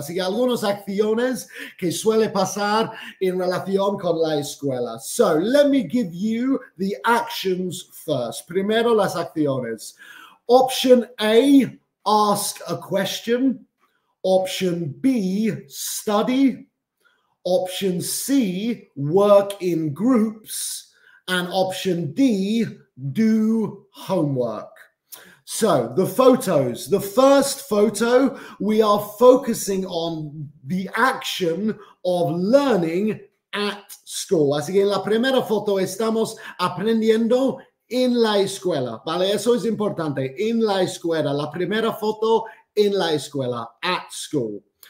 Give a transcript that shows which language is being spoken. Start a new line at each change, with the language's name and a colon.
Spanish: Así que algunas acciones que suele pasar en relación con la escuela.
English: So let me give you the actions first.
Spanish: Primero las acciones.
English: Option A, ask a question. Option B, study. Option C, work in groups. And option D, do homework. So the photos, the first photo, we are focusing on the action of learning at school.
Spanish: Así que en la primera foto estamos aprendiendo en la escuela. Vale, eso es importante, en la escuela. La primera foto, en la escuela, at school.